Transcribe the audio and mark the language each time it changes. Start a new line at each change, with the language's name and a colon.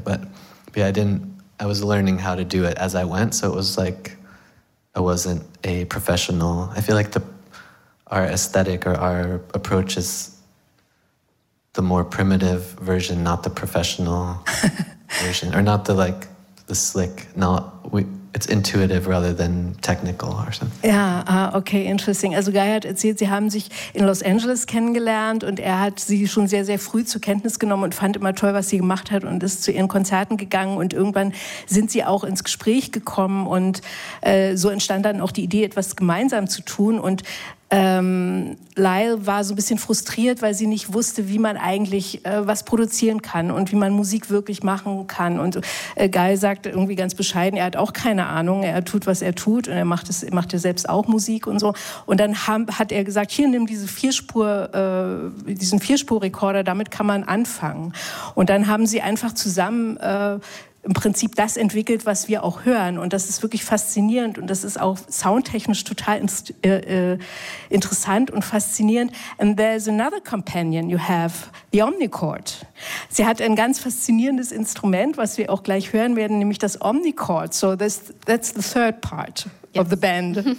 English: But yeah, I was learning how to do it as I went. So it was like, I wasn't a professional. I feel like our aesthetic or our approach is the more primitive version, not the professional version, or not the like the slick. It's intuitive rather than technical or something.
German: Ja, okay,
English: interesting.
German: Also Guy hat erzählt, sie haben sich in Los Angeles kennengelernt und er hat sie schon sehr, sehr früh zur Kenntnis genommen und fand immer toll, was sie gemacht hat, und ist zu ihren Konzerten gegangen, und irgendwann sind sie auch ins Gespräch gekommen, und so entstand dann auch die Idee, etwas gemeinsam zu tun. Und Lyle war so ein bisschen frustriert, weil sie nicht wusste, wie man eigentlich was produzieren kann und wie man Musik wirklich machen kann. Und Guy sagt irgendwie ganz bescheiden, er hat auch keine Ahnung, er tut, was er tut und er macht ja selbst auch Musik und so. Und dann hat er gesagt, hier, nimm diesen Vierspur-Rekorder, damit kann man anfangen. Und dann haben sie einfach zusammen im Prinzip das entwickelt, was wir auch hören. Und das ist wirklich faszinierend. Und das ist auch soundtechnisch total interessant und faszinierend.
English: And there's another companion you have, the Omnichord.
German: Sie hat ein ganz faszinierendes Instrument, was wir auch gleich hören werden, nämlich das Omnichord.
English: So that's the third part of the band.